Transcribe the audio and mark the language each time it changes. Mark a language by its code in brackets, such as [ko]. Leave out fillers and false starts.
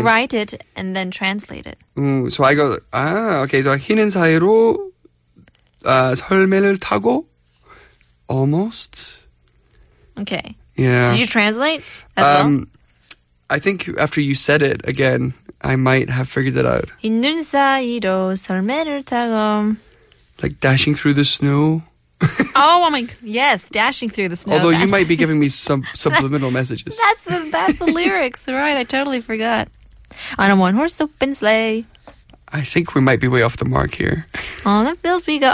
[en] To write it and then translate it. So I go, okay, so [ko] 흰은 사이로 설매를 타고 [en] almost. Okay. Yeah. Did you translate as well? I think after you said it again, I might have figured it out. [ko] 흰눈 사이로 설매를 타고. [en] Like dashing through the snow. Oh my, yes, dashing through the snow. Although you might be giving me some subliminal messages. That's the lyrics, right? I totally forgot. On a one horse open sleigh. I think we might be way off the mark here. On the bills we go.